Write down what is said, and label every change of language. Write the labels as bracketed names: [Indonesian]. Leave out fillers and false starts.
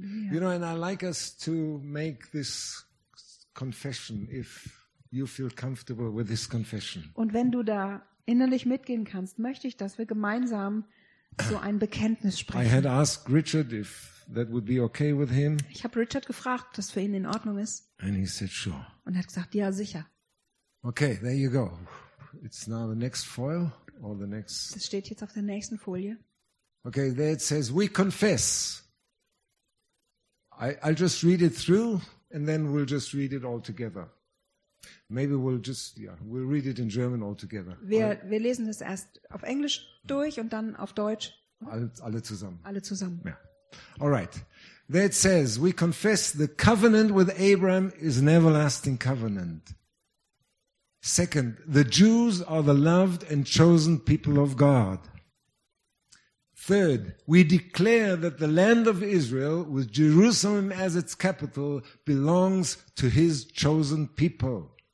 [English] You know, and I like us to make this confession if you feel comfortable with this confession. [German] Und wenn du da innerlich mitgehen kannst, möchte ich, dass wir gemeinsam so ein Bekenntnis sprechen. [English] I had asked Richard if that would be okay with him. [German] Ich habe Richard gefragt, ob das für ihn in Ordnung ist. [English] And he said sure. [German] Und er hat gesagt, ja, sicher. [English] Okay, there you go. It's now the next foil or the next. [German] Das steht jetzt auf der nächsten Folie. [English] Okay, there it says, we confess. I'll just read it through and then we'll just read it all together. Maybe we'll just, yeah, we'll read it in German all together. [German] Wir lesen es erst auf Englisch durch und dann auf Deutsch. Alle zusammen. Alle zusammen. [English] Yeah. All right. There it says, we confess the covenant with Abraham is an everlasting covenant. Second, the Jews are the loved and chosen people of God. Third, we declare that the land of Israel, with Jerusalem as its capital, belongs to his chosen people.